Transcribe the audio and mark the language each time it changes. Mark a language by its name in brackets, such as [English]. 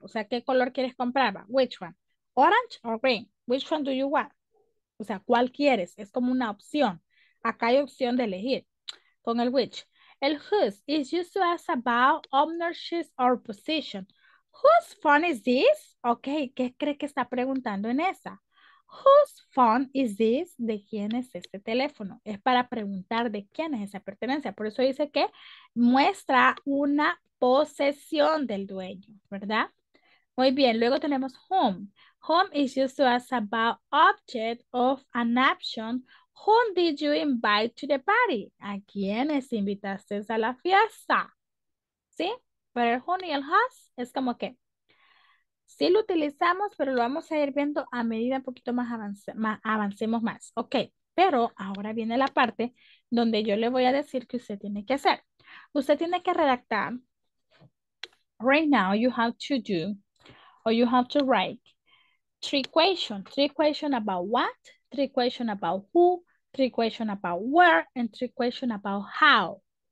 [Spanish] O sea, ¿qué color quieres comprar? [English] Which one? Orange or green? Which one do you want? [Spanish] O sea, ¿cuál quieres? Es como una opción. Acá hay opción de elegir con el which. [English] El whose is used to ask about ownership or position. Whose phone is this? [Spanish] Ok, ¿qué cree que está preguntando en esa? [English] Whose phone is this? [Spanish] ¿De quién es este teléfono? Es para preguntar de quién es esa pertenencia. Por eso dice que muestra una posesión del dueño, ¿verdad? Muy bien, luego tenemos whom. [English] Whom is used to ask about object of an action. Whom did you invite to the party? [Spanish] ¿A quiénes invitaste a la fiesta? ¿Sí? Pero el whom y el has es como que sí lo utilizamos, pero lo vamos a ir viendo a medida un poquito más, avancemos más. Ok, pero ahora viene la parte donde yo le voy a decir que usted tiene que hacer. Usted tiene que redactar. [English] Right now you have to do or you have to write three questions about what, three questions about who, three questions about where, and three questions about how.